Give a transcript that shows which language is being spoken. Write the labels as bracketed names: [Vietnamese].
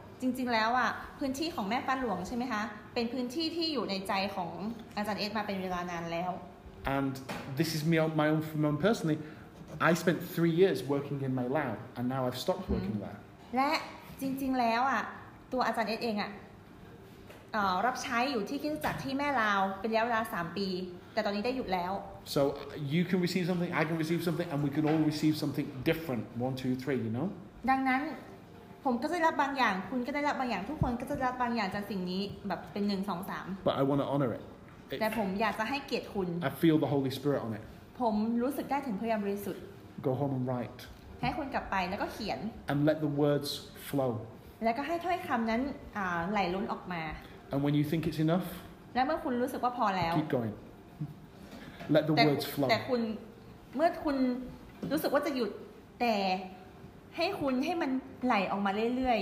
[Thai] จริงๆแล้วอ่ะพื้นที่ของแม่ฟ้าหลวงใช่ไหมคะเป็นพื้นที่ที่อยู่ในใจของอาจารย์เอสมาเป็นเวลานานแล้ว [English] And this is me on my own, from my own personally. I spent 3 years working in my lab, and now I've stopped working there. [Thai] และจริงๆแล้วอ่ะตัวอาจารย์เอสเองอ่ะรับใช้อยู่ที่คริสตจักรที่แม่ลาวเป็นระยะเวลา3ปีแต่ตอนนี้ได้หยุดแล้ว [English] So you can receive something, I can receive something, and we can all receive something different. 1, 2, 3, you know. [Thai] ดังนั้นผมก็ได้รับบางอย่างคุณก็ได้รับบางอย่างทุกคนก็จะรับบางอย่างจากสิ่งนี้แบบเป็น1, 2, 3 [English] But I want to honor it. [Thai] แต่ผมอยากจะให้เกียรติคุณ [English] I feel the Holy Spirit on it. [Thai] ผมรู้สึกได้ถึงพระยามบริสุทธิ์ [English] Go home and write [Thai] ให้คนกลับไปแล้วก็เขียน [English] And let the words flow [Thai] แล้วก็ให้ถ้อยคำนั้นไหลล้นออกมา [English] And when you think it's enough [Thai] แล้วเมื่อคุณรู้สึกว่าพอแล้ว [English] Keep going Let the words flow [Thai] แต่คุณเมื่อคุณรู้สึกว่าจะหยุดแต่ให้คุณให้มันไหลออกมาเรื่อย